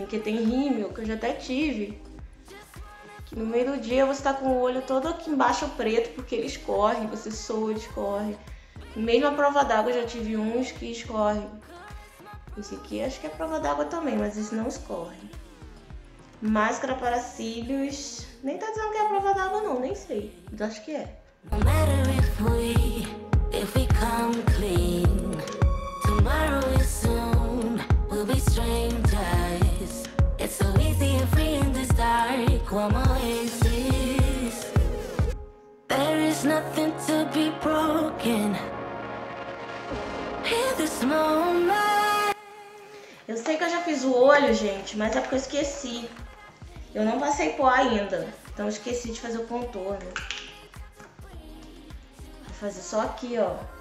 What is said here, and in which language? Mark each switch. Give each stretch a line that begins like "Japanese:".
Portuguese: Porque tem rímel, que eu já até tive. Que no meio do dia você tá com o olho todo aqui embaixo preto, porque ele escorre, você soa, escorre. Mesmo a prova d'água, já tive uns que escorrem. Esse aqui acho que é prova d'água também, mas esse não escorre. Máscara para cílios. Nem tá dizendo que é a prova d'água não, nem sei. Mas acho que é.
English: No matter if we come clean, tomorrow is soon, we'll be strangers. It's so easy and free in this dark, one more oasis. There is nothing to be broken. In this moment.
Portuguese: Eu sei que eu já fiz o olho, gente, mas é porque eu esqueci. Eu não passei pó ainda, então eu esqueci de fazer o contorno. Vou fazer só aqui, ó.